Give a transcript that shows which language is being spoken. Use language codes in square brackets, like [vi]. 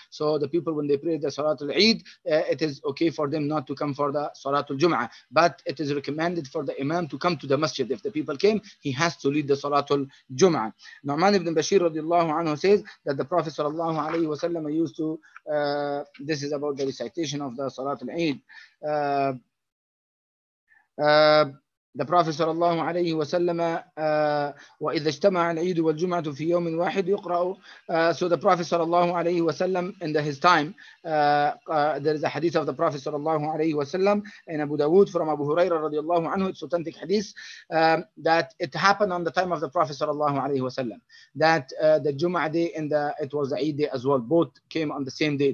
[en] So the people, when they pray the Salatul Eid, it is okay for them not to come for the Salatul Jum'ah. But it is recommended for the Imam to come to the Masjid. If the people came, he has to lead the Salatul Jum'ah. Nu'man ibn Bashir radiallahu anhu says that the Prophet sallallahu alayhi wa sallam used to this is about the recitation of the Salat al-Eid. The Prophet sallallahu alayhi wa sallam, [ar] وَإِذَا اجْتَمَعَ الْعِيدُ وَالْجُمْعَةُ فِي يَوْمٍ وَاحِدٍ يُقْرَأُ. [en] So the Prophet sallallahu alayhi wa sallam, in his time, there is a hadith of the Prophet sallallahu alayhi wa sallam in Abu Dawood from Abu Huraira radiallahu anhu, it's authentic hadith, that it happened on the time of the Prophet sallallahu alayhi wa sallam, that the Jum'ah day and it was the Eid day as well, both came on the same day.